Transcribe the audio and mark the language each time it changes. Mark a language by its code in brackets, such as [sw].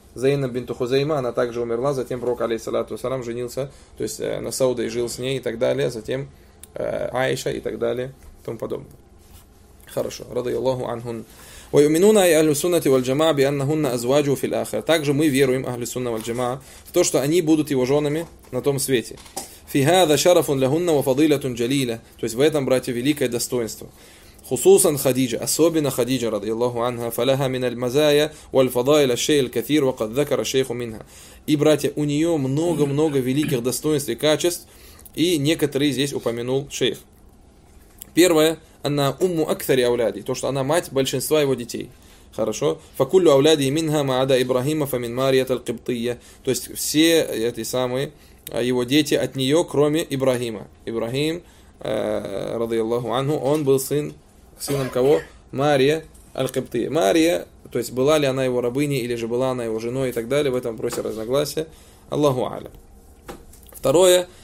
[ru] Зайнаб бинту Хузейма, она также умерла, затем пророк алейхиссалям женился, то есть на Сауде и жил с ней и так далее, затем Аиша и так далее, и тому подобное. [ar] Хорошо. Радиаллаху анхун. وَيُؤْمِنُونَ أَهْلُ السُّنَّةِ وَالْجَمَاعَةِ بِأَنَّهُنَّ أَزْوَاجُهُ فِي الْآخِرَةِ. [ru] Также мы веруем, [ar] أهل السنة والجماعة, [ru] в то, что они будут его женами на том свете. [ar] في هذا شرف لهن وفضيلة جليلة. [ru] То есть в этом, братья, великое достоинство. [ar] خصوصا خديجة, [ru] особенно [ar] خديجة رضي الله عنها, فلها من المزايا والفضائل الشيء الكثير وقد ذكر الشيخ منها. [ru] И, братья, у нее много-много великих достоинств и качеств, и некоторые здесь упомянул шейх. Первое, она [ar] умму акثر اولادي, [ru] то что она мать большинства его детей. Хорошо. [ar] فكل اولادي منها ما عدا ابراهيم فمن ماريا القبطية. [ru] То есть все эти самые его дети от нее, кроме Ибрахима. Ибрахим, радиаллаху анху, он был сыном кого? Мария аль-Кибтия. Мария, то есть была ли она его рабыней, или же была она его женой и так далее, в этом вопросе разногласия. Аллаху алям. Второе.